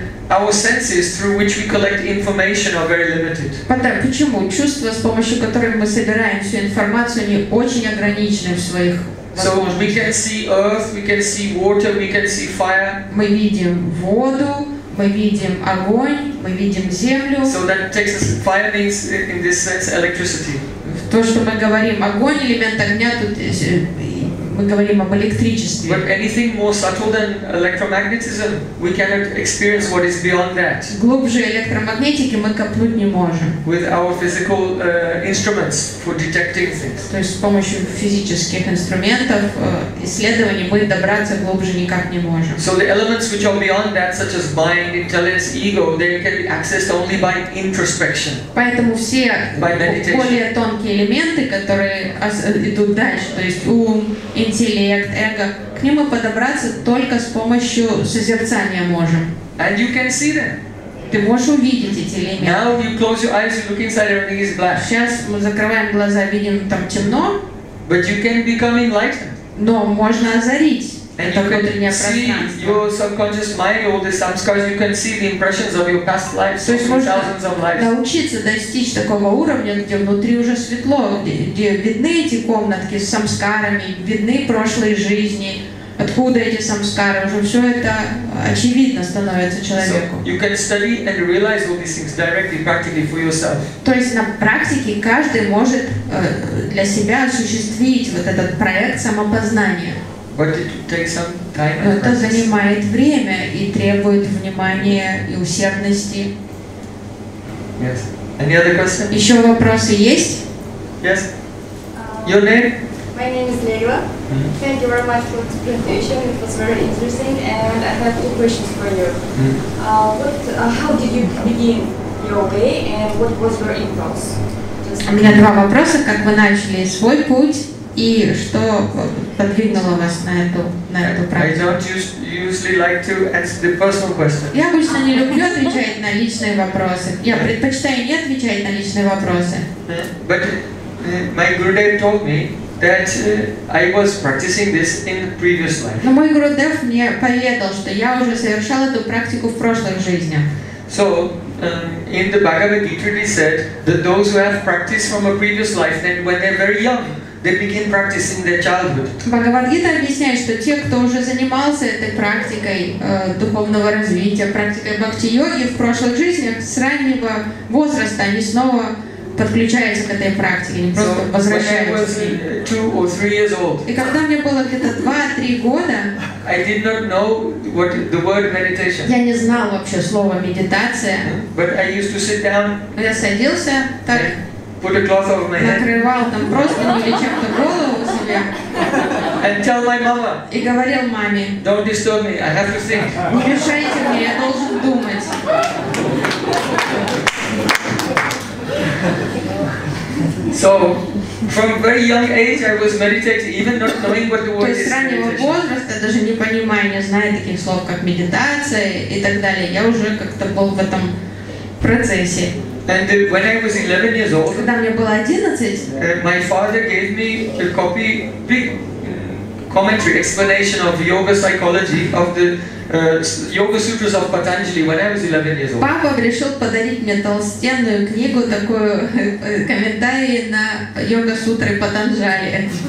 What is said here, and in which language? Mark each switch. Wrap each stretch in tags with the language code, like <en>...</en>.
<en>Our senses through which we collect information are very limited.</en> <ru>Почему чувства, с помощью которых мы собираем всю информацию, они очень ограничены в своих возможностях?</ru> <en>So we can see earth, we can see water, we can see fire.</en> <ru>Мы видим воду, мы видим огонь, мы видим землю.</ru> <en>So that takes us, fire means in this sense electricity.</en> <ru>То, что мы говорим огонь, элемент огня, тут мы говорим об электричестве.</ru> <en>But anything more subtle than electromagnetism, we cannot experience what is beyond that.</en> <ru>Глубже электромагнетики мы копнуть не можем.</ru> <en>With our physical instruments for detecting things.</en> <ru>То есть с помощью физических инструментов исследований мы добраться глубже никак не можем.</ru> <en>So the elements which are beyond that, such as mind, intelligence, ego, they can be accessed only by introspection.</en> <ru>Поэтому все более тонкие элементы, которые идут дальше, то есть ум, интеллект, эго, к ним мы подобраться только с помощью созерцания можем.</ru> <en>And you can see them.</en> <ru>Ты можешь увидеть эти элементы.</ru> <en>Now you close your eyes, you look inside, everything is black.</en> <ru>Сейчас мы закрываем глаза, видим там темно.</ru> <en>But you can become enlightened.</en> <ru>Но можно озарить.</ru> <en>And you can see your subconscious mind, all the samskaras, you can see the impressions of your past lives, so thousands of lives.</en> <ru>Научиться достичь такого уровня, где внутри уже светло, где видны эти комнатки с самскарами, видны прошлые жизни, откуда эти самскары, уже все это очевидно становится человеку.</ru> <en>So you can study and realize all these things directly, practically for yourself.</en> <ru>То есть на практике каждый может для себя осуществить вот этот проект самопознания.</ru> <en>But it takes some time and practice.</en> <ru>Это занимает время и требует внимания и усердности.</ru> <en>Yes. Any other questions?</en> <ru>Еще вопросы есть?</ru> <en>Yes. Your name? My name is Leila. Mm-hmm. Thank you very much for the presentation. It was very interesting, and I have two questions for you. Mm-hmm. How did you begin your way, and what was your impulse?</en> <ru>У меня два вопроса: как вы начали свой путь и что подвигнуло вас на эту практику?</ru> <en>I don't usually like to answer the personal questions.</en> <ru>Я обычно не люблю отвечать на личные вопросы. Я предпочитаю не отвечать на личные вопросы.</ru> <en>But my Gurudev told me that I was practicing this in the previous life.</en> <ru>Но мой Гурудев мне поведал, что я уже совершал эту практику в прошлых жизнях.</ru> <en>So in the Bhagavad Gita, he said that those who have practiced from a previous life, then when they're very young, they begin practicing their childhood.</en> <ru>Bhagavad Gita объясняет, что те, кто уже занимался этой практикой духовного развития, практикой бхакти-йоги в прошлых жизнях, с раннего возраста они снова подключаются к этой практике, они просто возвращаются.</ru> <en>So when I was 2 or 3 years old.</en> <ru>И когда мне было где-то 2-3 года,</ru> <en>I did not know what the word meditation.</en> <ru>Я не знал вообще слово медитация.</ru> <en>But I used to sit down.</en> <ru>Я садился так.</ru> <en>Put a cloth over my head.</en> <ru>Накрывал там простыню или чем-то голову у себя.</ru> <en>And tell my mama.</en> <ru>И говорил маме.</ru> <en>Don't disturb me. I have to think.</en> <ru>Не мешайте мне. Я должен думать.</ru> <en>So from very young age I was meditating, even not knowing what the word is.</en> <ru>То есть с раннего возраста, даже не понимая, не зная таких слов, как медитация и так далее, я уже как-то был в этом процессе.</ru> <en>And when I was 11 years old,</en> <ru>когда мне было 11,</ru> <en>my father gave me a copy, big commentary, explanation of yoga psychology of the yoga sutras of Patanjali when I was 11 years old.</en> <ru>Папа решил подарить мне толстенную книгу, такую комментарий на йога сутры Патанджали.</ru>